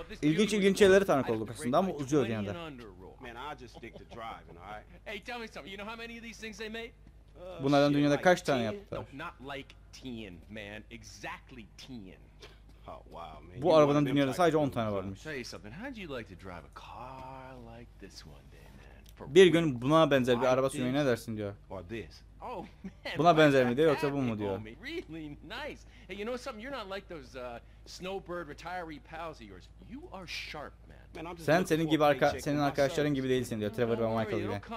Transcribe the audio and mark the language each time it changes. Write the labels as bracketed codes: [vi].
[tr] İlginç ilginç şeyleri tanık olduk aslında ama uzuyor yani de. [en] Man, I just stick to driving, all right? Hey, tell me something. You know how many of these things they make? [tr] Bunlardan [en] shit, [tr] dünyada [en] like [tr] kaç tane yaptılar? [en] No, not like 10, man. Exactly 10. Oh, wow, man. [tr] Bu arabadan dünyada sadece 10 tane varmış. [en] Tell you something. How'd you like to drive a car like this one day, man? [tr] Bir gün buna benzer bir araba sürmeyi ne dersin diyor. [en] Or this. Oh, man. [tr] Buna benzer mi diyor yoksa bu mu diyor. [en] Really nice. Hey, you know something? You're not like those snowbird retiree pals of yours. You are sharp. [tr] Sen senin gibi senin arkadaşların gibi değilsin diyor Trevor ve Michael gibi.